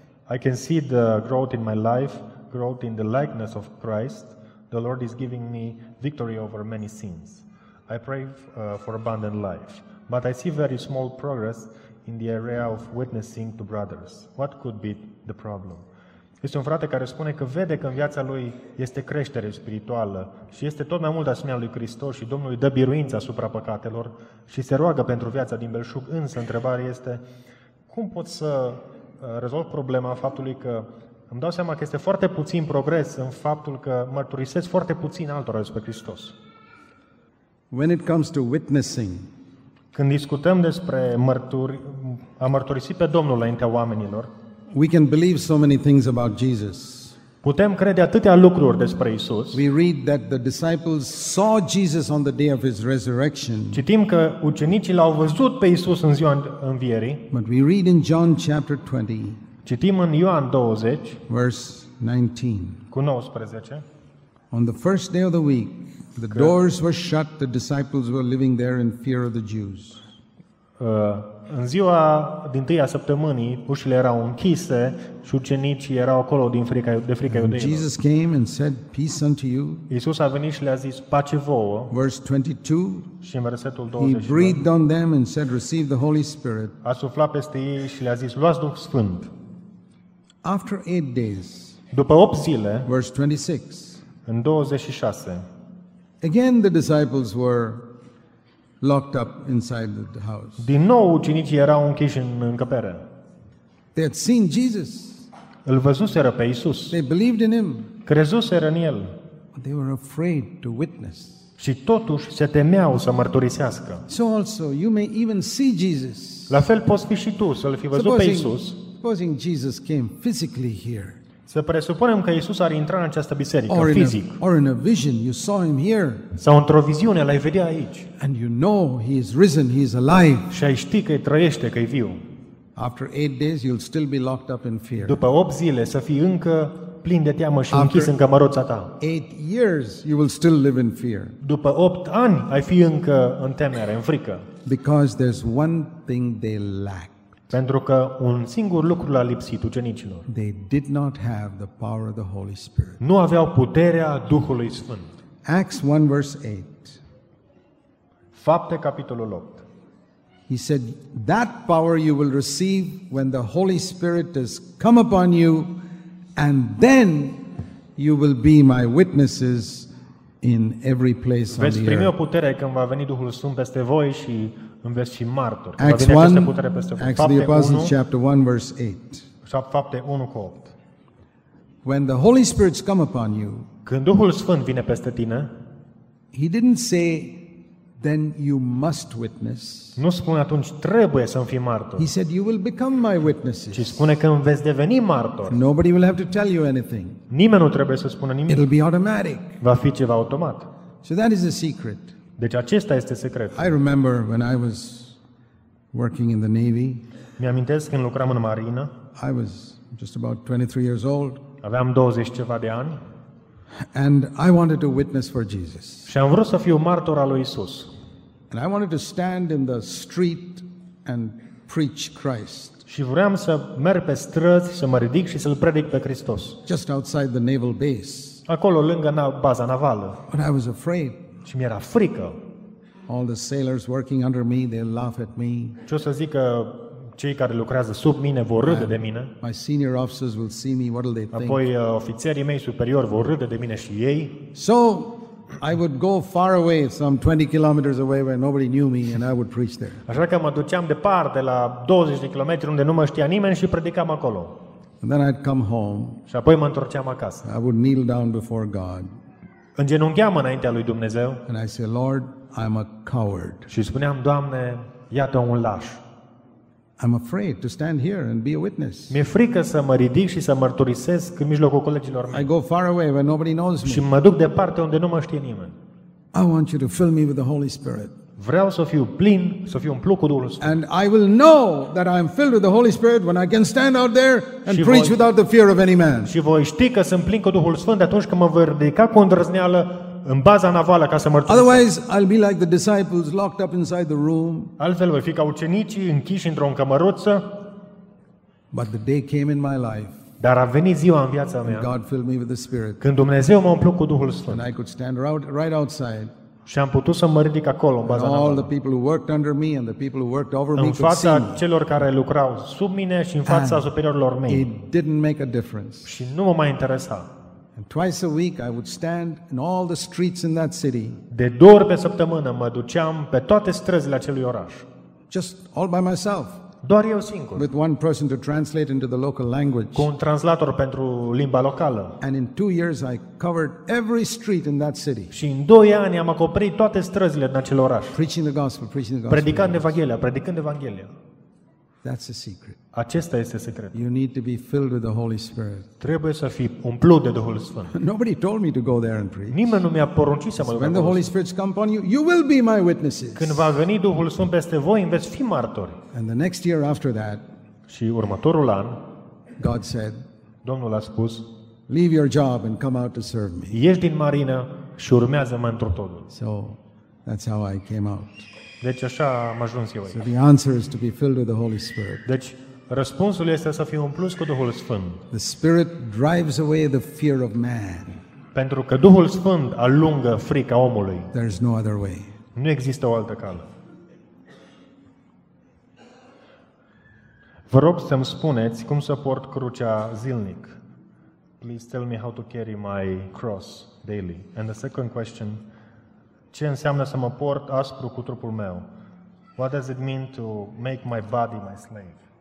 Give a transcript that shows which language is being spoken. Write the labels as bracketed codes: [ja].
[en] I can see the growth in my life, growth in the likeness of Christ. The Lord is giving me victory over many sins. I pray for abundant life, but I see very small progress in the area of witnessing to brothers. What could be the problem? [ro] Este un frate care spune că vede că în viața lui este creștere spirituală și este tot mai mult asemenea lui Hristos și Domnul îi dă biruința asupra păcatelor și se roagă pentru viața din belșug, însă întrebarea este cum pot să rezolv problema faptului că îmi dau seama că este foarte puțin progres în faptul că mărturisesc foarte puțin altora despre Hristos. [en] When it comes to witnessing, [ro] când discutăm despre a mărturisi pe Domnul înaintea oamenilor, [en] we can believe so many things about Jesus. [ro] Putem crede atâtea lucruri despre Isus. [en] We read that the disciples saw Jesus on the day of his resurrection. [ro] Citim că ucenicii l-au văzut pe Isus în ziua învierii. [en] But we read in John chapter 20. [ro] Citim în Ioan 20, [en] verse 19. [ro] Cu 19. [en] On the first day of the week, the doors were shut, the disciples were living there in fear of the Jews. [ro] În ziua dintâia săptămânii, ușile erau închise și ucenicii erau acolo din frica, de frica iudeilor. [en] Jesus came and said, "Peace unto you." [ro] Iisus a venit și le-a zis, pace vouă. [en] Verse 22. [ro] Și în versetul 22. [en] He breathed on them and said, "Receive the Holy Spirit." [ro] A suflat peste ei și le-a zis, luați Duh Sfânt. [en] After 8 days. [ro] După 8 zile. [en] Verse 26. [ro] În 26. [en] Again the disciples were locked up inside the house. [ro] Din nou ucenicii erau închiși în încăpere. [en] They had seen Jesus. [ro] Îl văzuseră pe Iisus. [en] They believed in him. [ro] Crezuseră în el. [en] They were afraid to witness. [ro] Și totuși se temeau să mărturisească. [en] So also you may even see Jesus. [ro] La fel poți fi și tu să-l fi văzut pe Iisus. [en] Supposing Jesus came physically here. [ro] Să presupunem că Iisus ar intra în această biserică fizic. [en] Or in a vision you saw him here. [ro] Sau într-o viziune l-ai vedea aici. [en] And you know he is risen, he is alive. [ro] Și ai ști că trăiește, că e viu. [en] After 8 days you'll still be locked up in fear. [ro] După 8 zile să fii încă plin de teamă și închis în cămăruța ta. [en] 8 years you will still live in fear. [ro] După 8 ani ai fi încă în temere, în frică. [en] Because there's one thing they lack. [ro] Pentru că un singur lucru l-a lipsit ucenicilor. [en] They did not have the power of the Holy Spirit. [ro] Nu aveau puterea Duhului Sfânt. [en] Acts 1 verse 8. [ro] Fapte capitolul 8. [en] He said that power you will receive when the Holy Spirit has come upon you and then you will be my witnesses in every place on the earth. [ro] Veți primi o putere când va veni Duhul Sfânt peste voi și în veți și martori. [en] Acts 1, Acts the Apostles, chapter 1, verse 8. [ro] Fapte 1 cu 8. [en] When the Holy Spirit's come upon you, [ro] când Duhul Sfânt vine peste tine, [en] he didn't say, then you must witness. [ro] Nu spune atunci, trebuie să-mi fii martor. [en] He said, you will become my witnesses. [ro] Ci spune că veți deveni martor. [en] Nobody will have to tell you anything. [ro] Nimeni nu trebuie să spună nimic. [en] It'll be automatic. [ro] Va fi ceva automat. [en] So that is the secret. [ro] Deci acesta este secretul. [en] I remember when I was working in the Navy. [ro] Mi-amintesc când lucram în marină. [en] I was just about 23 years old. [ro] Aveam 20 ceva de ani. [en] And I wanted to witness for Jesus. [ro] Și am vrut să fiu martor al lui Isus. [en] And I wanted to stand in the street and preach Christ. [ro] Și vroiam să merg pe străzi, să mă ridic și să-l predic pe Hristos. [en] Just outside the naval base. [ro] Acolo lângă baza navală. [en] But I was afraid. [ro] Și mi-era frică. [en] All the sailors working under me, they laugh at me. [ro] Ce o să zică cei care lucrează sub mine, vor râde de mine. [en] My senior officers will see me, what will they think? [ro] Apoi ofițerii mei superiori vor râde de mine și ei. [en] So I would go far away, some 20 kilometers away where nobody knew me and I would preach there. [ro] Așa că mă duceam departe la 20 de kilometri unde nu mă știa nimeni și predicam acolo. [en] And then I'd come home. [ro] Și apoi mă întorceam acasă. [en] I would kneel down before God. [ro] Îngenuncheam înaintea lui Dumnezeu. [en] And I said, "Lord, I'm a coward." [ro] Și spuneam, Doamne, iată un laș. [en] I'm afraid to stand here and be a witness. [ro] Mi-e frică să mă ridic și să mărturisesc în mijlocul colegilor mei. [en] I go far away where nobody knows me. [ro] Și mă duc departe unde nu mă știe nimeni. [en] I want you to fill me with the Holy Spirit. [ro] Vreau să fiu plin, să fiu umplut cu Duhul Sfânt. [en] And I will know that I am filled with the Holy Spirit when I can stand out there and preach without the fear of any man. [ro] Și voi ști că sunt plin cu Duhul Sfânt atunci când mă voi ridica cu îndrăzneală în baza navală ca să mărturisesc. [en] Otherwise, I'll be like the disciples locked up inside the room. [ro] Altfel voi fi ca ucenicii închiși într-o cămăruță. [en] But the day came in my life. [ro] Dar a venit ziua în viața mea. [en] God filled me with the Spirit. [ro] Când Dumnezeu m-a umplut cu Duhul Sfânt. [en] And I could stand right outside. [ro] Și am putut să mă ridic acolo în baza navală. [en] All the people who worked under me and the people who worked over me. [ro] În fața celor care lucrau sub mine și în fața superiorilor mei. [en] It didn't make a difference. [ro] Și nu mă mai interesa. [en] And twice a week I would stand in all the streets in that city. [ro] De două ori pe săptămână mă duceam pe toate străzile acelui oraș. [en] Just all by myself. [ro] Doar eu singur. [en] With one person to translate into the local language. [ro] Cu un translator pentru limba locală. [en] And in 2 years I covered every street in that city. [ro] Și în 2 ani am acoperit toate străzile din acel oraș. [en] Preaching the gospel, preaching the gospel. [ro] Predicând evanghelia, predicând evanghelia. [en] That's the secret. [ro] Acesta este secretul. [en] You need to be filled with the Holy Spirit. [ro] Trebuie să fii umplut de Duhul Sfânt. [en] Nobody told me to go there and preach. [ro] Nimeni nu mi-a poruncit să mă duc. [en] When the Holy Spirit comes upon you, you will be my witnesses. [ro] Când va veni Duhul Sfânt peste voi, veți fi martori. [en] And the next year after that, [ro] și următorul an, [en] God said, [ro] Domnul a spus, [en] Leave your job and come out to serve me. [ro] Ieși din marină și urmează-mă întru totul. [en] So that's how I came out. [ro] Deci așa am ajuns eu aici. [en] So the answer is to be filled with the Holy Spirit. [ro] Deci răspunsul este să fiu umplut cu Duhul Sfânt. [en] The Spirit drives away the fear of man. [ro] Pentru că Duhul Sfânt alungă frica omului. [en] There's no other way. [ro] Nu există o altă cale. Vă rog să-mi spuneți cum să port crucea zilnic. [en] Please tell me how to carry my cross daily. And the second question, [ro] ce înseamnă să mă port aspru cu trupul meu? [en] What does it mean to make my body my slave?